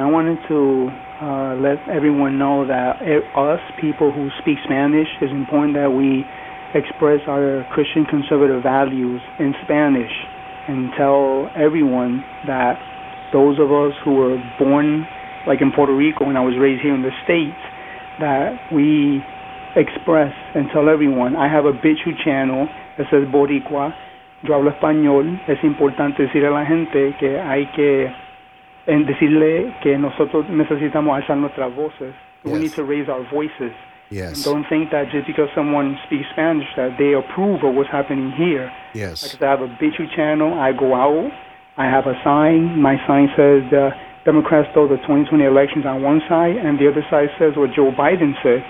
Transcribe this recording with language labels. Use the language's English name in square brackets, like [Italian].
[English] I wanted to let everyone know that us people who speak Spanish, it's important that we express our Christian conservative values in Spanish and tell everyone that those of us who were born, like in Puerto Rico and I was raised here in the States, that we express and tell everyone. I have a Bichu channel that says Boricua. [Spanish] Yo hablo español. Es importante decirle a la gente que hay que en decirle que nosotros necesitamos alzar nuestras voces. [English] Yes. We need to raise our voices. Yes. And don't think that just because someone speaks Spanish that they approve of what's happening here. Yes. Because I have a Bichu channel. I go out. I have a sign. My sign says Democrats throw the 2020 elections on one side, and the other side says what Joe Biden said.